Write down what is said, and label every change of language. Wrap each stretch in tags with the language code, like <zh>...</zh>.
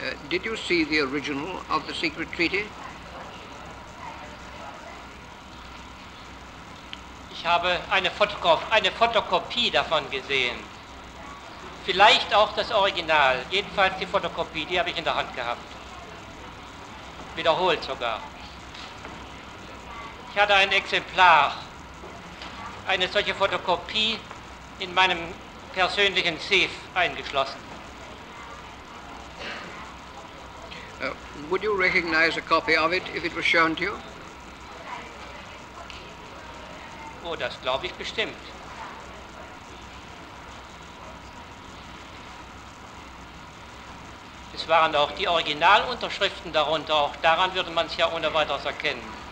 <en>Did you see the original of the secret treaty?</en> <de>Ich habe eine Fotokopie davon gesehen. Vielleicht auch das Original. Jedenfalls die Fotokopie, die habe ich in der Hand gehabt. Wiederholt sogar. Ich hatte ein Exemplar, eine solche Fotokopie in meinem persönlichen Safe eingeschlossen.</de> <en>Would you recognize a copy of it if it was shown to you?</en> <de>Oh, das glaube ich bestimmt. Es waren auch die Originalunterschriften darunter, auch daran würde man es ja ohne weiteres erkennen.</de>